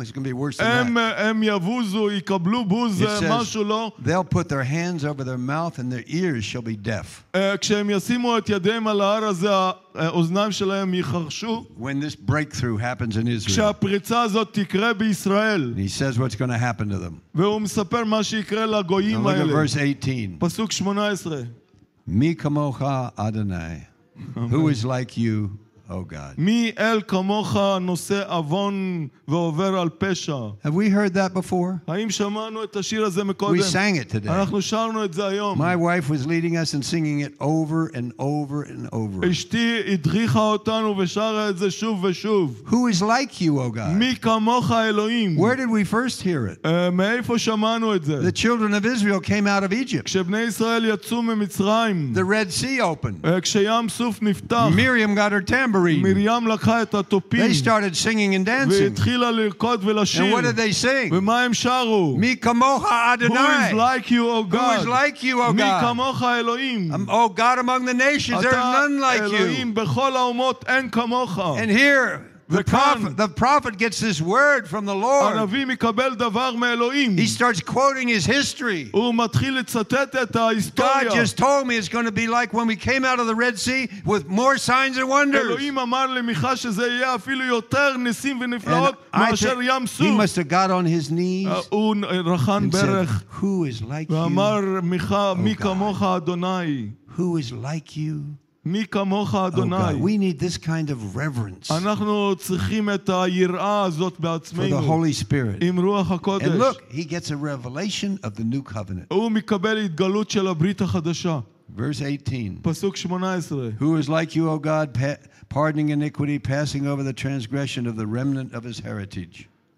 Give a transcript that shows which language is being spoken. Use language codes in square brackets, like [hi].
[en] It's going to be worse than that. It says, they'll put their hands over their mouth and their ears shall be deaf. When this breakthrough happens in Israel, he says what's going to happen to them. [he] ספר מה שיקרה לגויים האלה. [en] Look at verse 18. [he] פסוק 18. מי כמוך, אדוני? [en] Who is like you, O God? [he] מי אל כמוך נושא עוון ועובר על פשע? [en] Have we heard that before? [he] האם שמענו את השיר הזה מקודם? [en] We sang it today. [he] אנחנו שרנו את זה היום. [en] My wife was leading us and singing it over and over and over. [he] אשתי הדריכה אותנו ושרה את זה שוב ושוב. [en] Who is like you, O God? [he] מי כמוך אלוהים? [en] Where did we first hear it? [he] מאיפה שמענו את זה? [en] The children of Israel came out of Egypt. [he] כשבני ישראל יצאו ממצרים. [en] The Red Sea opened. [he] כשים סוף נפתח. [en] Miriam got her tent. [he] מרים לקחה את התופים. [en] They started singing and dancing. [he] והתחילה לרקוד ולשיר. [en] And what did they sing? [he] ומה הם שרו? מי כמוך אדוני? [en] Who is like you, O God? Who is like you, O God? [he] מי כמוך אלוהים? [en] O God among the nations, there is none like you. [he] אתה אלוהים בכל האומות, אין כמוך. [en] And here, the prophet gets this word from the Lord. [he] הנביא מקבל דבר מאלוהים. [en] He starts quoting his history. [he] הוא מתחיל לצטט את ההיסטוריה. [en] God just told me it's going to be like when we came out of the Red Sea with more signs and wonders. [he] אלוהים אמר למיכה שזה יהיה אפילו יותר ניסים ונפלאות מאשר ים סוף. [en] He must have got on his knees. [he] הוא רחן ברך. [en] Who is like [he] you? ואמר מיכה, מי כמוך אדוני? [en] Who is like you? [he] מי כמוך אדוני? [en] We need this kind of reverence. [he] אנחנו צריכים את היראה הזאת בעצמנו. [en] For the Holy Spirit. [he] עם רוח הקודש. [en] And look, he gets a revelation of the new covenant. [he] הוא מקבל התגלות של הברית החדשה. [en] 18. Who is like you, O God, pardoning iniquity, passing over the transgression of the remnant of his heritage?